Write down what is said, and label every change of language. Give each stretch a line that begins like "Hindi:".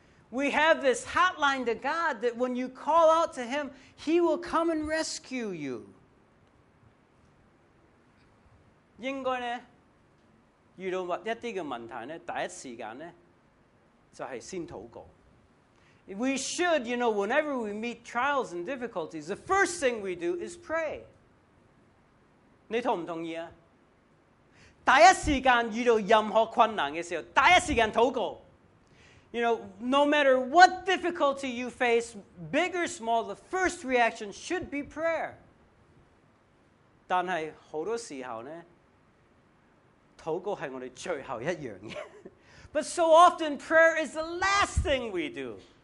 English: We have this hotline to God that when you call out to Him, He will come and rescue you.
Cantonese: 應該呢，遇到一啲嘅問題呢，第一時間呢，就係先禱告。We
English: should, you know, whenever we meet trials and difficulties, the first thing we do is pray.
Cantonese: 你同唔同意啊？第一時間遇到任何困難嘅時候，第一時間禱告。
English: You know, no matter what difficulty you face, big or small, the first reaction should be prayer.
Cantonese: 但係好多時候呢，禱告係我哋最後一樣嘢。But
English: so often, prayer is the last thing we do.